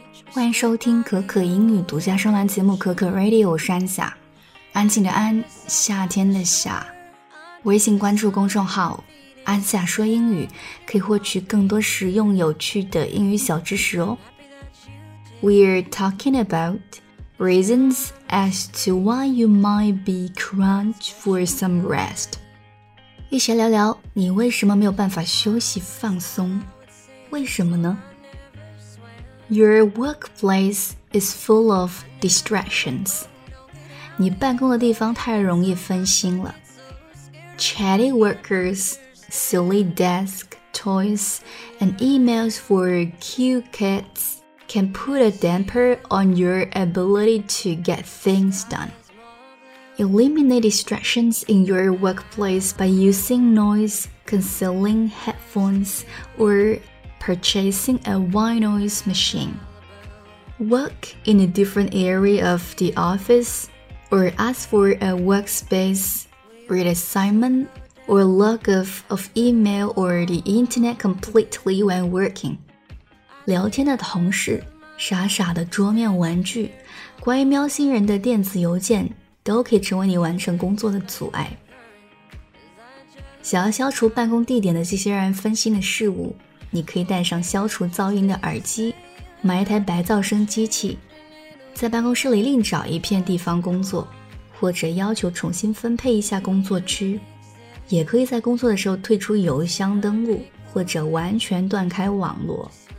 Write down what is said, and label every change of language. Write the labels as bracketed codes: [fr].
[zh] 欢迎收听可可英语独家声栏节目可可 Radio， 我是安夏，安静的安，夏天的夏。微信关注公众号安夏说英语，可以获取更多实用有趣的英语小知识哦。 [en] We're talking aboutReasons as to why you might be crunched for some rest. [zh] 一起聊聊你为什么没有办法休息放松，为什么呢？ [en] Your workplace is full of distractions. [zh] 你办公的地方太容易分心了。 [en] Chatty workers, silly desk, toys, and emails for cute kids. Can put a damper on your ability to get things done. Eliminate distractions in your workplace by using noise-canceling headphones or purchasing a white noise machine. Work in a different area of the office or ask for a workspace reassignment or log off of email or the internet completely when working. [zh] 聊天的同事，傻傻的桌面玩具，关于喵星人的电子邮件，都可以成为你完成工作的阻碍。想要消除办公地点的这些让人分心的事物，你可以戴上消除噪音的耳机，买一台白噪声机器，在办公室里另找一片地方工作，或者要求重新分配一下工作区，也可以在工作的时候退出邮箱登录，或者完全断开网络。